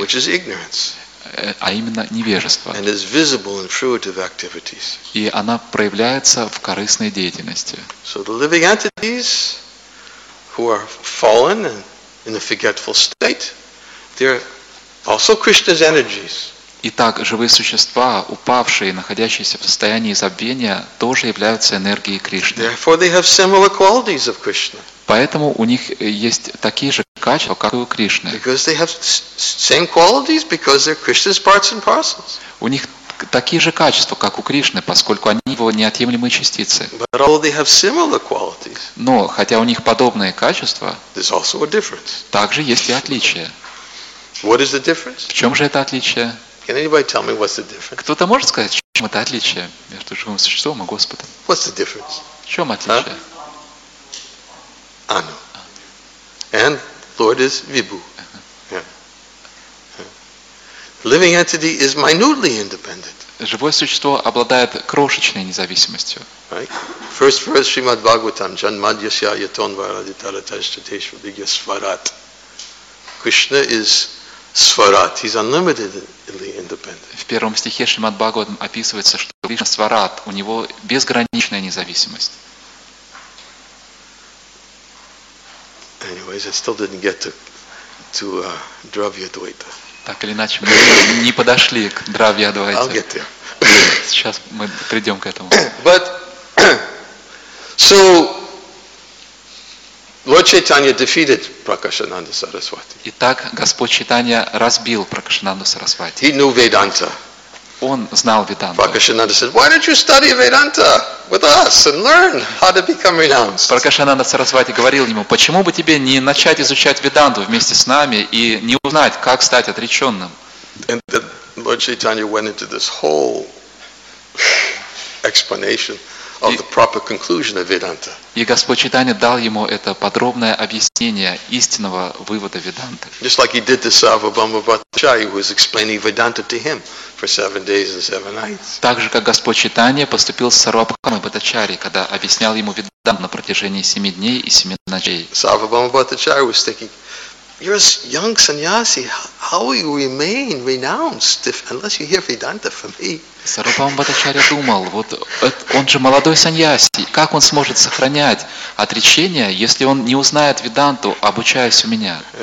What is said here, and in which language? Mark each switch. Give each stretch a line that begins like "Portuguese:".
English: which is ignorance,
Russian: а именно невежество.
English: And is visible in fruitive activities.
Russian: И она проявляется в корыстной деятельности.
English: So the living entities, who are fallen and in a forgetful state, they're also Krishna's energies.
Russian: Итак, живые существа, упавшие и находящиеся в состоянии забвения, тоже являются энергией Кришны.
English: Therefore, they have similar qualities of Krishna.
Russian: Поэтому у них есть такие же качества, как и у Кришны.
English: Because they have same qualities, because they're Krishna's parts and parcels.
Russian: У них такие же качества, как у Кришны, поскольку они его неотъемлемые частицы.
English: But although they have similar qualities,
Russian: но хотя у них подобные качества,
English: there's also a difference.
Russian: Также есть и отличие.
English: What is the difference?
Russian: В чем же это отличие?
English: Can anybody tell me what's the difference?
Russian: Кто-то может сказать, в чем это отличие между живым существом и Господом?
English: What's the difference?
Russian: В чем отличие?
English: Anu. And Lord is Vibhu. Yeah. Living entity is minutely independent.
Russian: Живое существо обладает крошечной независимостью.
English: Right? First verse Shrimad Bhagavatam
Sanskrit: Janmadyasya Yaton Varaditara Tashtateshva Vigya Svarat.
English: Krishna is Сварат. He's unlimitedly independent.
Russian: В первом стихе Шримад Бхагаватам описывается, что Кришна Сварат, у него безграничная независимость.
English: Anyways, I still didn't get to Dravya-dvaita.
Russian: Так или иначе, мы не подошли к Дравья-двайте.
English: I'll get there.
Russian: Сейчас мы придем к этому.
English: But, so, Lord Chaitanya defeated Prakashananda Saraswati.
Russian: Итак, Господь Чайтанья разбил Пракашананду Сарасвати.
English: He knew Vedanta.
Russian: он знал Веданту.
English: Пракашананда said, why don't you study Vedanta with us and learn how to become renounced?
Russian: Пракашананда Сарасвати говорил ему, почему бы тебе не начать изучать Веданту вместе с нами и не узнать, как стать отреченным?
English: And the Lord Chaitanya went into this whole explanation of the proper conclusion of Vedanta.
Russian: И Господь Чайтанья дал ему это подробное объяснение истинного вывода Веданты.
English: Just like he did to Sarvabhauma Bhattacharya, who was explaining Vedanta to him for 7 days and 7 nights.
Russian: Так же, как Господь Чайтанья поступил с Сарвабхаумой Бхаттачарьей, когда объяснял ему Веданту на протяжении 7 дней и 7 ночей.
English: Sarvabhauma Bhattacharya was thinking, you're a young sannyasi, how will you remain renounced if, unless you hear Vedanta from me?
Russian: Сарвабхаума Бхаттачарья думал, вот он же молодой саньяси, как он сможет сохранять отречение, если он не узнает Веданту, обучаясь у меня?